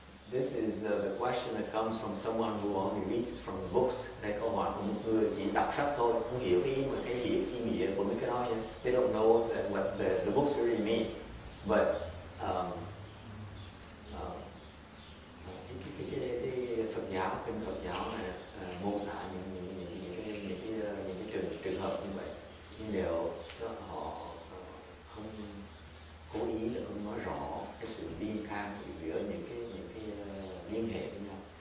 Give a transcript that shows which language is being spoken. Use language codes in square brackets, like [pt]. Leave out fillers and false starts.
[en] This is the question that comes from someone who only reads from the books. Like, oh, my, [vi] một người chỉ đọc sách thôi, không hiểu cái ý nghĩa của mấy cái đó. [en] They don't know that what the books really mean. [vi] But cái Phật giáo, kinh Phật giáo này mô tả những trường hợp như vậy, nhưng đều họ không cố ý là không nói rõ cái sự liên can giữa những cái liên hệ với nhau.